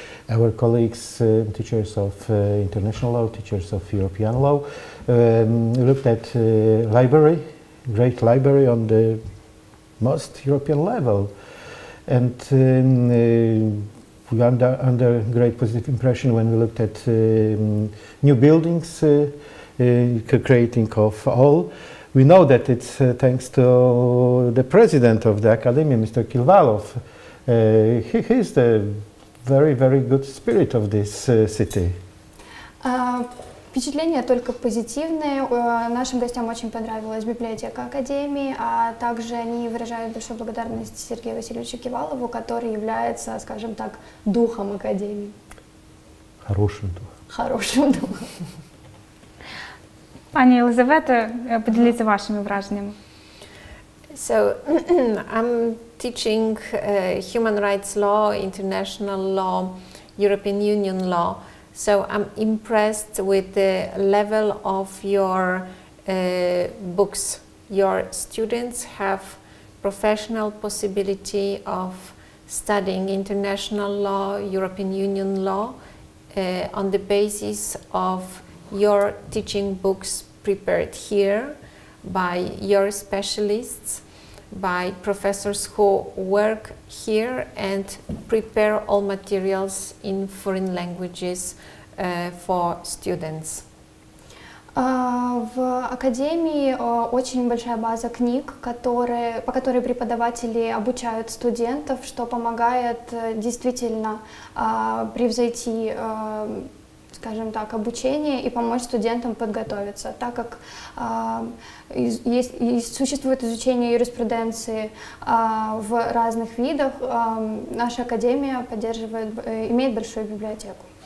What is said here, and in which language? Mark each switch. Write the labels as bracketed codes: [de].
[en] Our colleagues, teachers of international law, teachers of European law, looked at library, great library on the most European level, and we were under great positive impression when we looked at new buildings, creating of all. We know that it's thanks to the president of the academy, Mr. Kilvalov. He's the very, very good spirit of this city. [ru] Впечатления только позитивные. Нашим гостям очень понравилась библиотека Академии, а также они выражают большую благодарность Сергею Васильевичу Кивалову, который является, скажем так, духом Академии. Хорошим духом. Хорошим духом. [uk] Пані Елизавета, поділіться вашими враженнями. [en] So, I'm teaching human rights law, international law, European Union law. So I'm impressed with the level of your books. Your students have professional possibility of studying international law, European Union law, on the basis of your teaching books prepared here by your specialists, by professors who work here and prepare all materials in foreign languages for students. [ru] В Академии очень большая база книг, по которой преподаватели обучают студентов, что помогает действительно превзойти, скажем так, обучение и помочь студентам подготовиться, так как существует изучение юриспруденции в разных видах, наша академия поддерживает, имеет большую библиотеку.